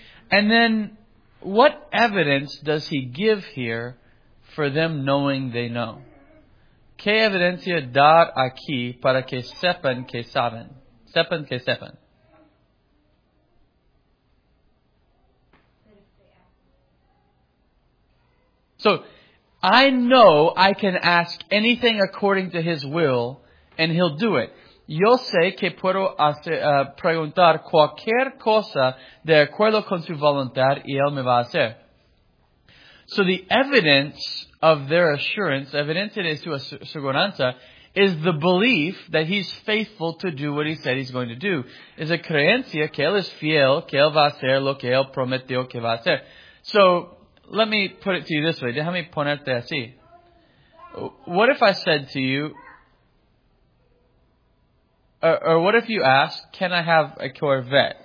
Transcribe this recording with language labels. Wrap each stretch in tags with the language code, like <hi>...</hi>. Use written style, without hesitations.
<en>And then, what evidence does he give here for them knowing they know?</en> <es>¿Qué evidencia da aquí para que sepan que saben? Sepan que sepan.</es> <en>So, I know I can ask anything according to His will, and He'll do it.</en> <es>Yo sé que puedo preguntar cualquier cosa de acuerdo con su voluntad, y Él me va a hacer.</es> <en>So, the evidence of their assurance,</en> <es>evidencia de su aseguranza,</es> <en>is the belief that He's faithful to do what He said He's going to do.</en> <es>Es la creencia que Él es fiel, que Él va a hacer lo que Él prometió que va a hacer.</es> <en>So, let me put it to you this way.</en> <es>Déjame ponerte así.</es> <en>What if I said to you, or what if you asked, can I have a Corvette?</en>